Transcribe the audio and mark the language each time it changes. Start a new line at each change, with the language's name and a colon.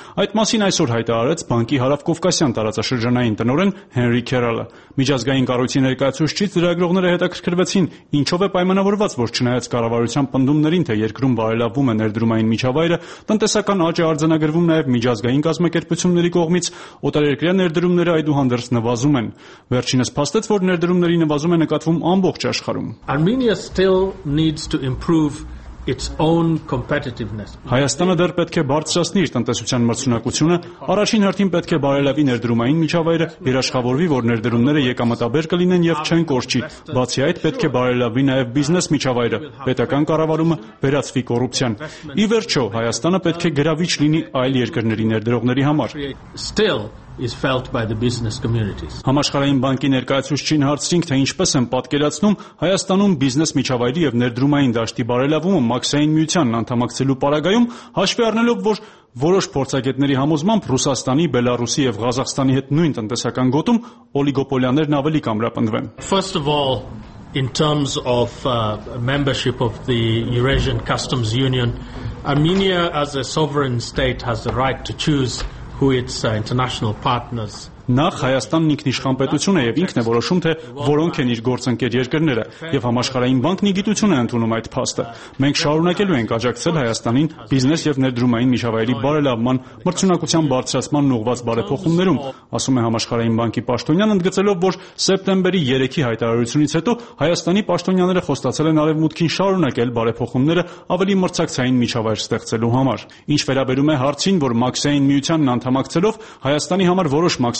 Armenian: Այդ մասին այսօր հայտարարեց բանկի հարավկովկասյան տարածաշրջանային տնօրեն Հենրի Քերալը։ Միջազգային կառույցի ներկայացուցիչ ծրագրողները հետաքրքրվեցին, ինչով է պայմանավորված, որ չնայած կառավարության պնդումներին, թե երկրում բարելավվում է ներդրումային միջավայրը, տնտեսական աճը արձանագրվում նաև միջազգային կազմակերպությունների կողմից, օտարերկրյա ներդրումները այդուհանդերձ նվազում են։ Վերջինս փաստեց, որ ներդրումների նվազումը նկատվում ամբողջ աշխարհում։
English: Armenia still needs to improve its own competitiveness.
Armenian: Հայաստանը դեռ պետք է բարձրացնի իր տնտեսության մրցունակությունը, առաջին հերթին պետք է բարելավի ներդրումային միջավայրը, երաշխավորվի, որ ներդրումները եկամտաբեր կլինեն եւ չեն կորչի։ Բացի այդ, պետք է բարելավի նաեւ բիզնես միջավայրը, պետական կառավարումը վերացվի կոռուպցիան։ Ի վերջո, Հայաստանը պետք է գրավիչ լինի այլ երկրների ներդրողների համար։
English: Is felt by the business communities.
Armenian: Համաշխարհային բանկի ներկայացուցչին հարցրինք, թե ինչպես են պատկերացնում Հայաստանում բիզնես միջավայրի եւ ներդրումային դաշտի բարելավումը մաքսային միությանն անդամակցելու պարագայում, հաշվի առնելով, որ որոշ փորձագետների համոզմամբ Ռուսաստանի, Բելարուսի եւ Ղազախստանի հետ նույն տնտեսական գոտում օլիգոպոլիաներն ավելի կամրապնդվեն։
English: First of all, in terms of membership of the Eurasian Customs Union, Armenia as a sovereign state has the right to choose who its international partners.
Armenian: Նախ Հայաստանն ինքնիշխան պետություն է եւ ինքն է որոշում, թե որոնք են իր գործընկեր երկրները, եւ համաշխարհային բանկն իգիտություն է ընդունում այդ փաստը։ Մենք շարունակելու ենք աջակցել Հայաստանին բիզնես եւ ներդրումային միջավայրի բարելավման, մրցունակության բարձրացման ուղղված բարեփոխումներում, ասում է համաշխարհային բանկի պաշտոնյան, ընդգծելով, որ սեպտեմբերի 3-ի հայտարարությունից հետո Հայաստանի պաշտոնյաները խոստացել են արևմուտքին շարունակել բարեփոխումները ավելի մրցակցային միջավայր ստեղծելու համար։ Ինչ վերաբերում է հարցին, որ մաքսային միությանն անդամակցելով Հայաստանի համար որոշ